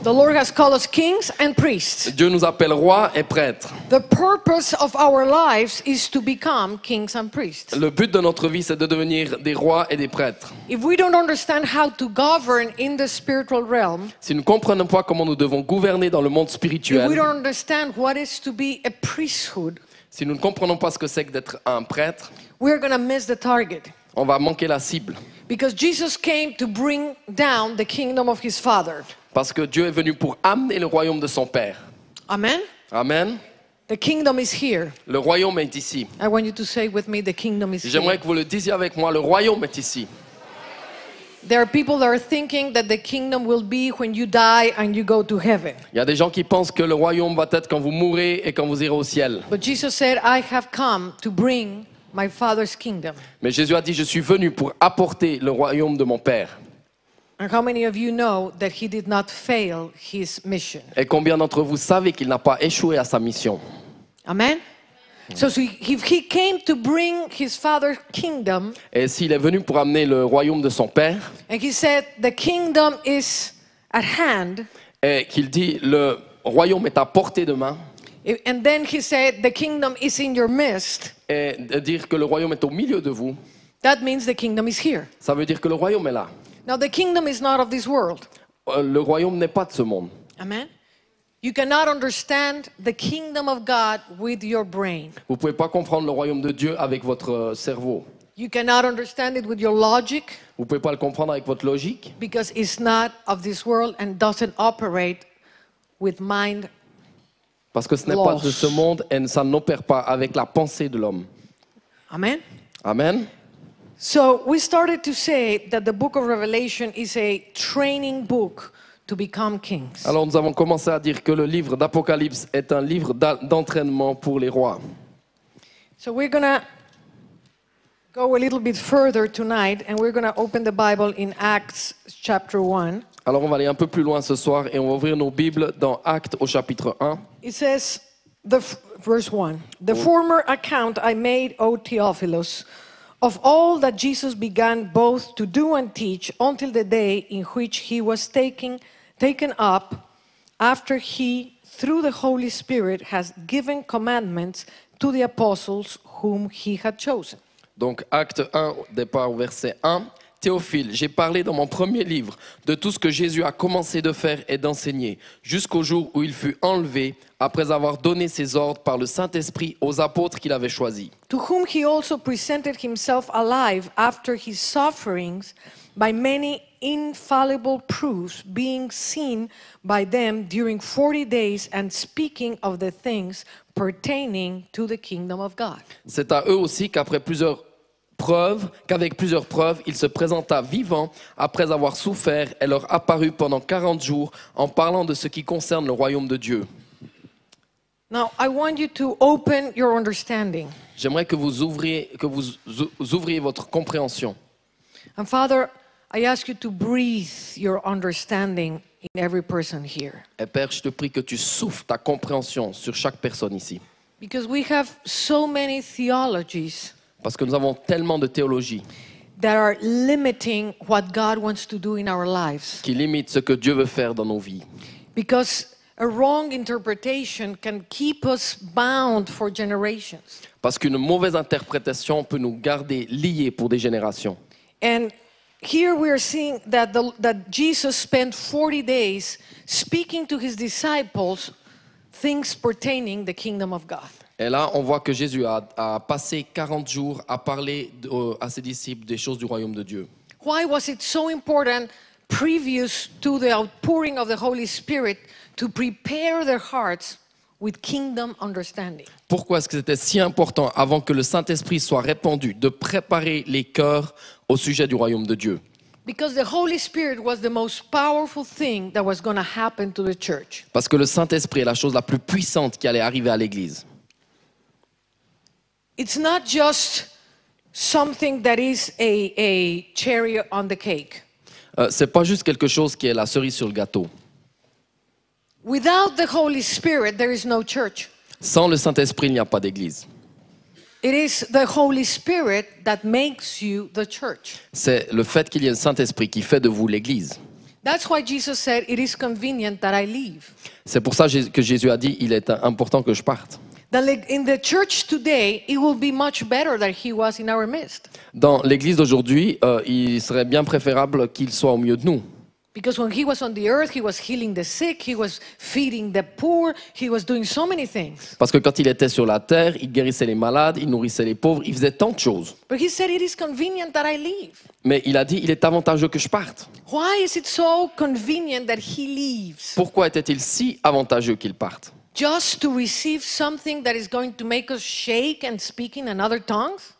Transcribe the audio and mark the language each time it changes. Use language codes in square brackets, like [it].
[en] The Lord has called us kings and priests. [fr] Dieu nous appelle rois et prêtres. [en] The purpose of our lives is to become kings and priests. [fr] Le but de notre vie, c'est de devenir des rois et des prêtres. [en] If we don't understand how to govern in the spiritual realm, [fr] si nous ne comprenons pas comment nous devons gouverner dans le monde spirituel, [en] if we don't understand what is to be a priesthood, [fr] si nous ne comprenons pas ce que c'est que d'être un prêtre, [en] we are going to miss the target. [fr] On va manquer la cible. [en] Because Jesus came to bring down the kingdom of his father. [fr] Parce que Dieu est venu pour amener le royaume de son père. [en] Amen. [fr] Amen. [en] The kingdom is here. [fr] Le royaume est ici. [en] I want you to say with me, the kingdom is here. [fr] J'aimerais que vous le disiez avec moi, le royaume est ici. [en] There are people that are thinking that the kingdom will be when you die and you go to heaven. [fr] Il y a des gens qui pensent que le royaume va être quand vous mourrez et quand vous irez au ciel. [en] But Jesus said, I have come to bring my father's kingdom. [fr] Mais Jésus a dit, je suis venu pour apporter le royaume de mon père. [en] And how many of you know that he did not fail his mission? [fr] Et combien d'entre vous savez qu'il n'a pas échoué à sa mission? [en] Amen. So if he came to bring his father's kingdom, [fr] et s'il est venu pour amener le royaume de son père, [en] and he said the kingdom is at hand, [fr] et qu'il dit le royaume est à portée de main, [en] and then he said the kingdom is in your midst, [fr] et dire que le royaume est au milieu de vous, [en] that means the kingdom is here. [fr] Ça veut dire que le royaume est là. [en] Now the kingdom is not of this world. [fr] Le royaume n'est pas de ce monde. [en] Amen. You cannot understand the kingdom of God with your brain. [fr] Vous pouvez pas comprendre le royaume de Dieu avec votre cerveau. [en] You cannot understand it with your logic. [fr] Vous pouvez pas le comprendre avec votre logique. [en] Because it's not of this world and doesn't operate with mind. [fr] Parce que ce n'est pas de ce monde et ça n'opère pas avec la pensée de l'homme. [en] Amen. [fr] Amen. [en] So we started to say that the book of Revelation is a training book to become kings. [fr] Alors nous avons commencé à dire que le livre d'Apocalypse est un livre d'entraînement pour les rois. [en] So we're going to go a little bit further tonight and we're going to open the Bible in Acts chapter 1. [fr] Alors on va aller un peu plus loin ce soir et on va ouvrir nos Bibles dans Actes au chapitre 1. [en] It says, verse 1, former account I made, O Theophilus, of all that Jesus began both to do and teach until the day in which he was taken up after he, through the Holy Spirit, has given commandments to the apostles whom he had chosen. [fr] Donc Actes 1, départ au verset 1. Théophile, j'ai parlé dans mon premier livre de tout ce que Jésus a commencé de faire et d'enseigner jusqu'au jour où il fut enlevé après avoir donné ses ordres par le Saint-Esprit aux apôtres qu'il avait choisis. [en] To whom he also presented himself alive after his sufferings by many infallible proofs being seen by them during 40 days and speaking of the things pertaining to the kingdom of God. [fr] C'est à eux aussi qu'après plusieurs preuve qu'avec plusieurs preuves, il se présenta vivant après avoir souffert et leur apparut pendant 40 jours en parlant de ce qui concerne le royaume de Dieu. [en] Now, I want you to open your understanding. [fr] J'aimerais que vous ouvriez votre compréhension. [en] And Father, I ask you to breathe your understanding in every person here. [fr] Et Père, je te prie que tu souffles ta compréhension sur chaque personne ici. [en] Because we have so many theologies. [fr] Parce que nous avons tellement de théologies [en] that are limiting what God wants to do in our lives. [fr] Qui limite ce que Dieu veut faire dans nos vies. [en] Because a wrong interpretation can keep us bound for generations. [fr] Parce qu'une mauvaise interprétation peut nous garder liés pour des générations. [en] And here we are seeing that that Jesus spent 40 days speaking to his disciples things pertaining the kingdom of God. [fr] Et là, on voit que Jésus a passé 40 jours à parler à ses disciples des choses du royaume de Dieu. [en] Why was it so important previous to the outpouring of the Holy Spirit to prepare their hearts with kingdom understanding? [fr] Pourquoi est-ce que c'était si important avant que le Saint-Esprit soit répandu de préparer les cœurs au sujet du royaume de Dieu? [en] Because the Holy Spirit was the most powerful thing that was going to happen to the church. [fr] Parce que le Saint-Esprit est la chose la plus puissante qui allait arriver à l'église. [en] It's not just something that is a cherry on the cake. [fr] C'est pas juste quelque chose qui est la cerise sur le gâteau. [en] Without the Holy Spirit, there is no church. [fr] Sans le Saint-Esprit, il n'y a pas d'église. [en] It is the Holy Spirit that makes you the church. [fr] C'est le fait qu'il y ait le Saint-Esprit qui fait de vous l'église. [en] That's why Jesus said it is convenient that I leave. [fr] C'est pour ça que Jésus a dit il est important que je parte. [en] In the church today, it will be much better that he was in our midst. [fr] Dans l'église d'aujourd'hui, il serait bien préférable qu'il soit au milieu de nous. [en] Because when he was on the earth, he was healing the sick, he was feeding the poor, he was doing so many things. [fr] Parce que quand il était sur la terre, il guérissait les malades, il nourrissait les pauvres, il faisait tant de choses. [en] But he said it is convenient that I leave. [fr] Mais il a dit, il est avantageux que je parte. [en] Why is it so convenient that he leaves? [fr] Pourquoi était-il si avantageux qu'il parte? [en] Just to receive something that is going to make us shake and speak in another tongues?